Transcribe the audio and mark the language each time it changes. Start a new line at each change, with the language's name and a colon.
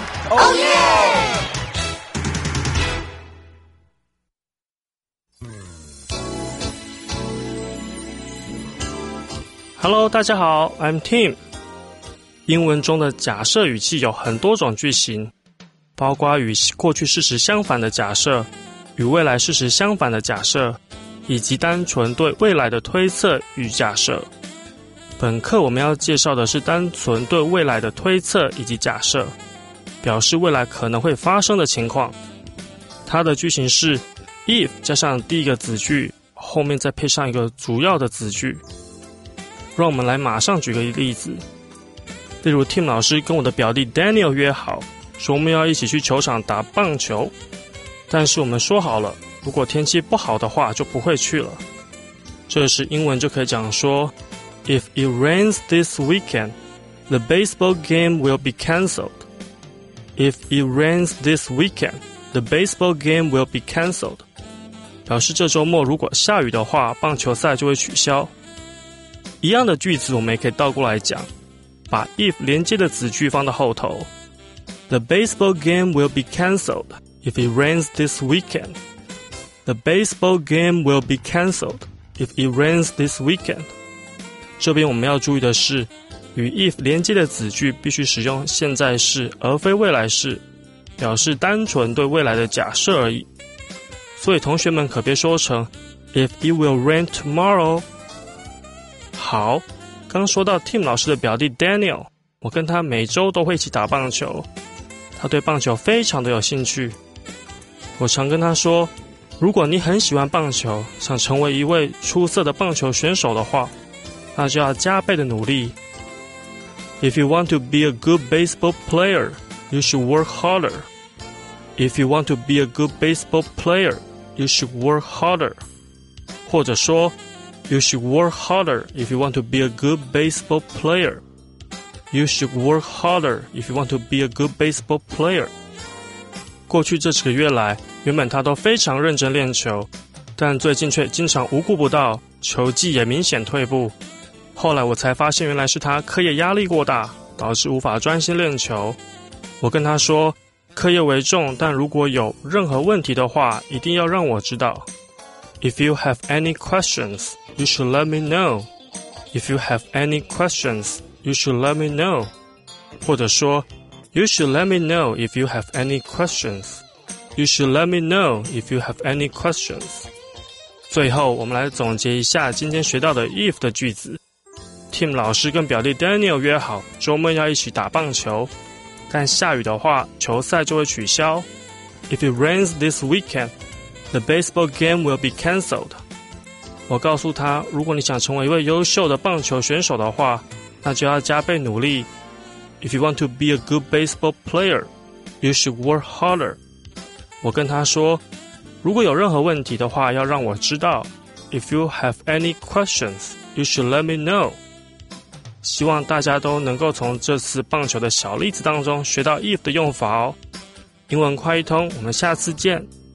English: Oh, yeah! Hello,
Chinese: 大家好
English: I'm Tim.
Chinese: 英文中的假设语气有很多种句型包括与过去事实相反的假设与未来事实相反的假设以及单纯对未来的推测与假设。本课我们要介绍的是单纯对未来的推测以及假设表示未来可能会发生的情况。它的句型是 if 加上第一个子句后面再配上一个主要的子句。让我们来马上举个例子例如 Tim 老师跟我的表弟 Daniel 约好说我们要一起去球场打棒球但是我们说好了如果天气不好的话就不会去了这时英文就可以讲说
English: If it rains this weekend the baseball game will be canceled. If it rains this weekend, the baseball game will be canceled.
Chinese: 表示这周末如果下雨的话，棒球赛就会取消。一样的句子我们也可以倒过来讲，把 if 连接的子句放到后头。
English: The baseball game will be canceled if it rains this weekend. The baseball game will be canceled if it rains this weekend.
Chinese: 这边我们要注意的是，与 if 连接的子句必须使用现在式而非未来式，表示单纯对未来的假设而已。所以同学们可别说成
English: if it will rain tomorrow。
Chinese: 好，刚说到 Tim 老师的表弟 Daniel， 我跟他每周都会一起打棒球，他对棒球非常的有兴趣。我常跟他说，如果你很喜欢棒球，想成为一位出色的棒球选手的话，那就要加倍的努力。
English: If you want to be a good baseball player, you should work harder. If you want to be a good baseball player, you should work harder.
Chinese: 或者说
English: You should work harder if you want to be a good baseball player. You should work harder if you want to be a good baseball player.
Chinese: 过去这几个月来，原本他都非常认真练球，但最近却经常无故不到，球技也明显退步。后来我才发现，原来是他课业压力过大，导致无法专心练球。我跟他说，课业为重，但如果有任何问题的话，一定要让我知道。
English: If you have any questions, you should let me know. If you have any questions,You should let me know.
Chinese: 或者说
English: You should let me know if you have any questions. You should let me know if you have any questions.
Chinese: 最后我们来总结一下今天学到的 if 的句子。 Tim 老师跟表弟 Daniel 约好周末要一起打棒球，但下雨的话球赛就会取消。
English: If it rains this weekend, the baseball game will be cancelled.
Chinese: 我告诉他，如果你想成为一位优秀的棒球选手的话，那就要加倍努力。
English: If you want to be a good baseball player, you should work harder.
Chinese: 我跟他说，如果有任何问题的话，要让我知道。
English: If you have any questions, you should let me know.
Chinese: 希望大家都能够从这次棒球的小例子当中学到 if 的用法哦。英文快一通，我们下次见。